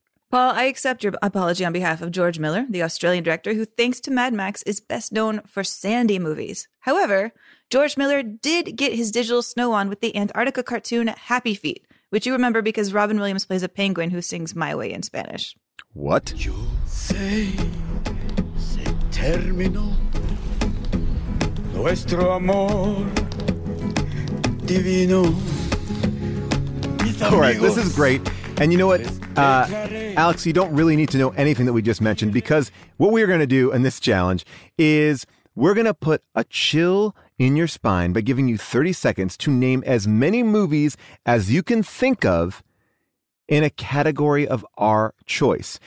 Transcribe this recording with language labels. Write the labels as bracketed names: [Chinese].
[English] Paul, I accept your apology on behalf of George Miller, the Australian director who, thanks to Mad Max, is best known for sandy movies. However, George Miller did get his digital snow on with the Antarctica cartoon Happy Feet, which you remember because Robin Williams plays a penguin who sings My Way in Spanish. What? [Spanish] Yo sé, se terminó nuestro amor divino. [English] All right, this is great. And you know what, Alex, you don't really need to know anything that we just mentioned, because what we're going to do in this challenge is we're going to put a chill in your spine by giving you 30 seconds to name as many movies as you can think of in a category of our choice.